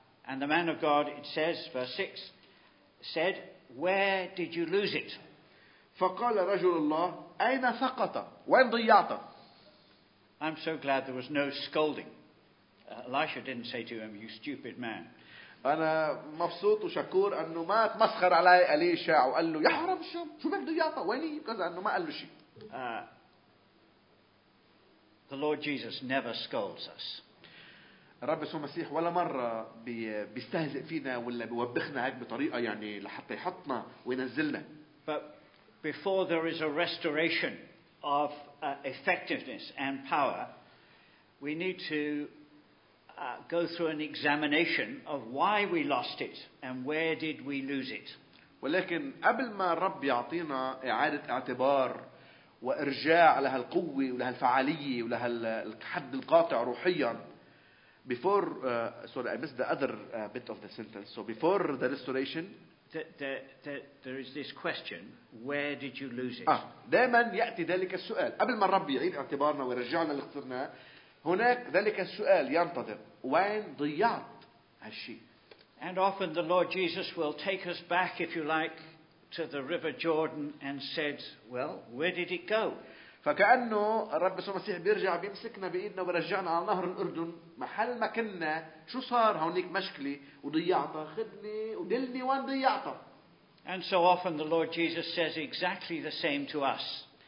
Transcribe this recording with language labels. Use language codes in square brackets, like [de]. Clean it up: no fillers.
[en] And the man of God, it says, verse 6, said, where did you lose it? [ar] فقال رجل الله, أين سقط؟ وين ضيعت؟ [en] I'm so glad there was no scolding. Elisha didn't say to him, you stupid man. [ar] أنا مبسوط وشكور أنه ما تمسخر علي إليشع وقال له, يا حرام الشام, شو بك ضيعت؟ ويني؟ كذا أنه ما قال له شيء. [en] The Lord Jesus never scolds us. [ar] رب يسوع المسيح ولا مرة بيستهزئ فينا ولا بيوبخنا هيك بطريقة يعني لحتى يحطنا وينزلنا. [en] But before there is a restoration of effectiveness and power, we need to go through an examination of why we lost it and where did we lose it. [ar] ولكن قبل ما الرب يعطينا إعادة اعتبار وإرجاع لها القوة ولها الفعالية ولها الحد القاطع روحياً. [en] Before, sorry, I missed the other bit of the sentence. So before the restoration, there is this question: where did you lose it? [ar] دائما يأتي ذلك السؤال قبل ما الرب يعيد اعتبارنا ويرجعنا اللي خسرنا. هناك ذلك السؤال ينتظر: وين ضيعت هالشيء؟ [en] And often the Lord Jesus will take us back, if you like, to the River Jordan and said, "Well, where did it go?" [ar] فكأنه الرب يسوع المسيح بيرجع بيمسكنا بإيدنا ورجعنا على نهر الأردن محل ما كنا شو صار هونيك مشكلة وضيعتها خدني ودلني وان ضيعتها. [en] And so often the Lord Jesus says exactly the same to us.